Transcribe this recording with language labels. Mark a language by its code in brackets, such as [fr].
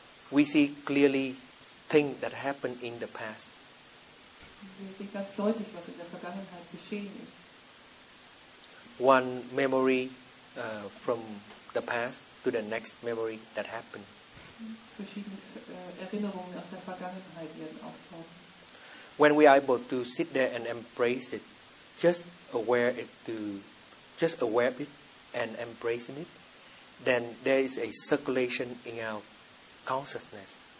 [en] We see clearly things that happened in the past. [de] Wir sehen ganz deutlich, was in der Vergangenheit geschehen ist. [en] One memory from the past to the next memory that happened. [de] Verschiedene Erinnerungen aus der Vergangenheit werden auftauchen. [en] When we are able to sit there and embrace it, just aware of it and embracing it, then there is a circulation in our consciousness.